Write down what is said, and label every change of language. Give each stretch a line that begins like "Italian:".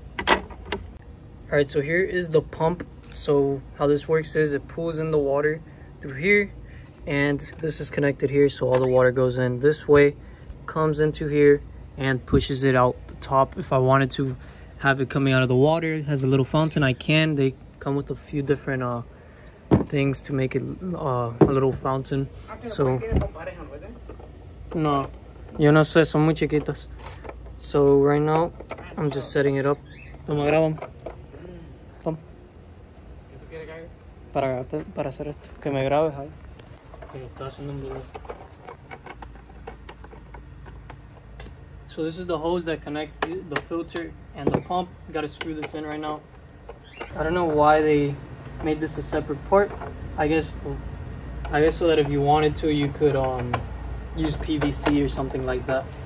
English: All right, so here is the pump. So how this works is it pulls in the water through here, and this is connected here, so all the water goes in this way, comes into here, and pushes it out the top. If I wanted to have it coming out of the water, it has a little fountain, I can. They come with a few different things to make it a little fountain.
Spanish: So no, yo no sé, son muy chiquitos.
English: So right now I'm just setting it up.
Spanish: Toma, graba. Pum. Para grabarte, para hacer esto, que me grabes ahí.
English: So this is the hose that connects the filter and the pump. Got to screw this in right now. I don't know why they made this a separate port. I guess so that if you wanted to, you could use PVC or something like that.